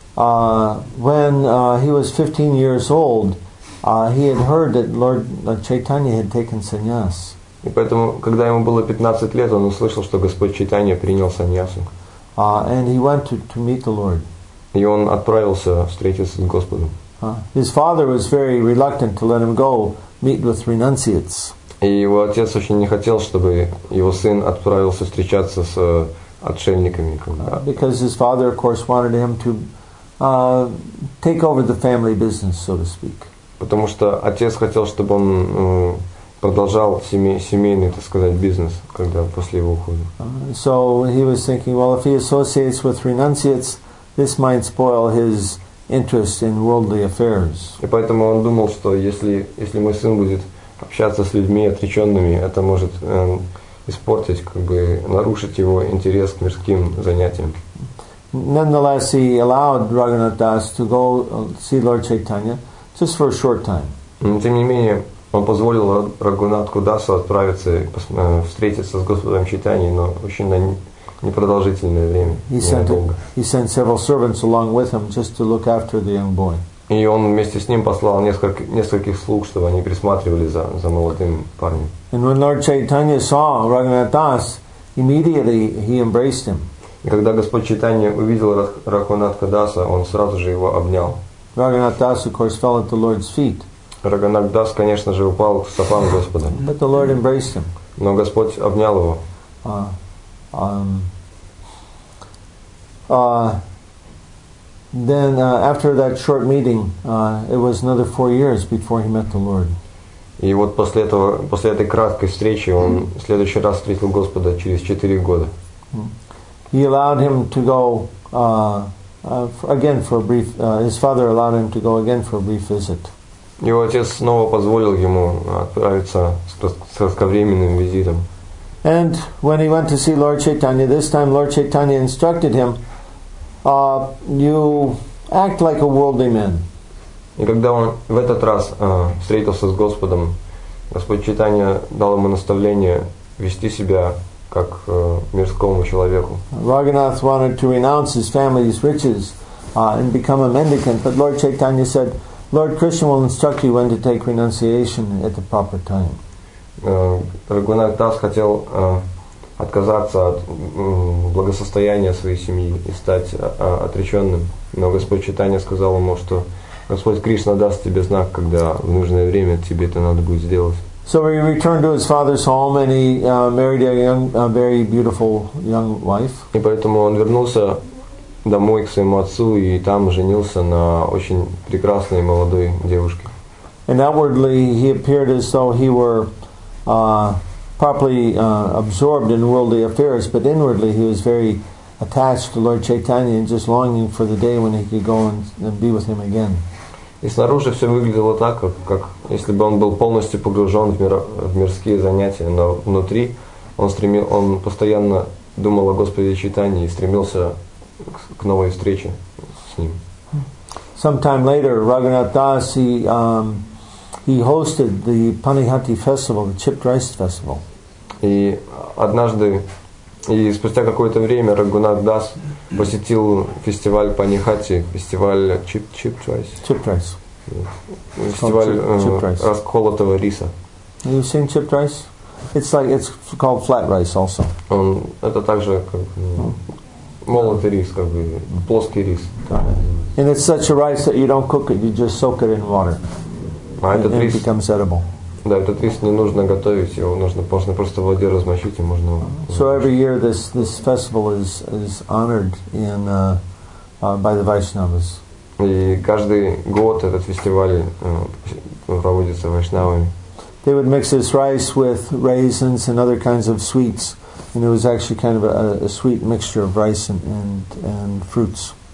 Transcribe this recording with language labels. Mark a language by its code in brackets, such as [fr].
[en] So when he was 15 years old, he had heard that Lord Chaitanya had taken sannyas. [ru] И поэтому, когда ему было 15 лет, он услышал, что Господь Чайтанья принял саньясу. [en] And he went to meet the Lord. [ru] И он отправился встретиться с Господом. [en] His father was very reluctant to let him go meet with renunciates. [ru] И его отец очень не хотел, чтобы его сын отправился встречаться с отшельниками. [en] Because his father, of course, wanted him to take over the family business, so to speak. [ru] Потому что отец хотел, чтобы он продолжал семейный, так сказать, бизнес, когда после его ухода. [en] So he was thinking, well, if he associates with renunciates, this might spoil his interest in worldly affairs. [ru] И поэтому он думал, что если мой сын будет общаться с людьми отреченными, это может испортить, как бы нарушить его интерес к мирским занятиям. [en] Nonetheless, he allowed Raghunath Das to go see Lord Chaitanya just for a short time. [ru] Но тем не менее, он позволил Рагунатху Дасу отправиться встретиться с Господом Чайтаньей, но очень на непродолжительное время. [en] He sent several servants along with him just to look after the young boy. [ru] И он вместе с ним послал нескольких слуг, чтобы они присматривали за молодым парнем. [en] And when Lord Chaitanya saw Raghunath Das, immediately he embraced him. [ru] И когда Господь Чайтанья увидел Рагунатху Даса, он сразу же его обнял. [en] Raghunath Das, of course, fell at the Lord's feet. [ru] Рагунатх Дас, конечно же, упал к стопам Господа. [en] But the Lord embraced him. [ru] Но Господь обнял его. [en] After that short meeting, it was another 4 years before he met the Lord. [ru] И вот после этой краткой встречи он в следующий раз встретил Господа через 4 года. [en] He allowed him to go again for a brief. His father allowed him to go again for a brief visit. [ru] Его отец снова позволил ему отправиться с кратковременным визитом. [en] And when he went to see Lord Chaitanya, this time Lord Chaitanya instructed him, you act like a worldly man. [ru] И когда он в этот раз встретился с Господом, Господь Чайтанья дал ему наставление вести себя как мирскому человеку. [en] Raghunath wanted to renounce his family's riches and become a mendicant, but Lord Chaitanya said, Lord Krishna will instruct you when to take renunciation at the proper time. [ru] Raghunath Das хотел отказаться от благосостояния своей семьи и стать отреченным, но Господь Чайтанья сказал ему, что Господь Кришна даст тебе знак, когда в нужное время тебе это надо будет сделать. [en] So he returned to his father's home and he married a young, a very beautiful young wife. [ru] И поэтому он вернулся домой к своему отцу и там женился на очень прекрасной молодой девушке. [en] And outwardly he appeared as though he were properly absorbed in worldly affairs, but inwardly he was very attached to Lord Chaitanya and just longing for the day when he could go and be with him again. [ru] И снаружи все выглядело так, как если бы он был полностью погружен в мирские занятия, но внутри он постоянно думал о Господе Чайтанье и стремился к новой встрече с ним. [en] Sometime later, Raghunath Das he hosted the Panihati festival, the chipped rice festival. [ru] И однажды, и спустя какое-то время, Raghunath Das посетил фестиваль Панихати, фестиваль [en] chipped rice. [ru] Расколотого риса. [en] Have you seen chipped rice? It's called flat rice also. [ru] Это также как молотый рис, как бы плоский рис. [en] And it's such a rice that you don't cook it, you just soak it in water. [ru] Этот рис, [en] and it becomes edible. [ru] Да, этот рис не нужно готовить, его нужно просто в воде размочить и можно. [en] So every year this festival is honored in by the Vaishnavas. [ru] И каждый год этот фестиваль проводится вайшнавами. [en] They would mix this rice with raisins and other kinds of sweets, and it was actually kind of a sweet mixture of rice and fruits.